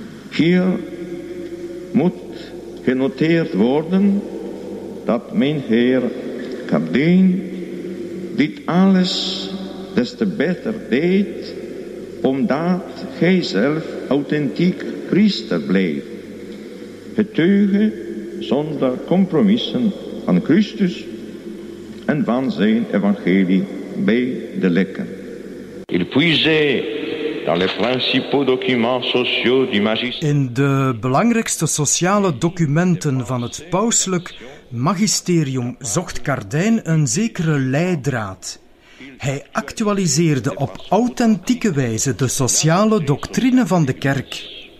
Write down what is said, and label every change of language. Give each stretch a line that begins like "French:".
Dutch: Hier moet genoteerd worden dat mijn heer Kardijn dit alles des te beter deed, omdat hij zelf authentiek priester bleef, getuige zonder compromissen van Christus en van zijn evangelie bij de lekken.
French: Il puisait dans les principaux documents sociaux du magistère.
Dutch: In de belangrijkste sociale documenten van het pauselijk magisterium zocht Kardijn een zekere leidraad. Hij actualiseerde op authentieke wijze de sociale doctrine van de kerk.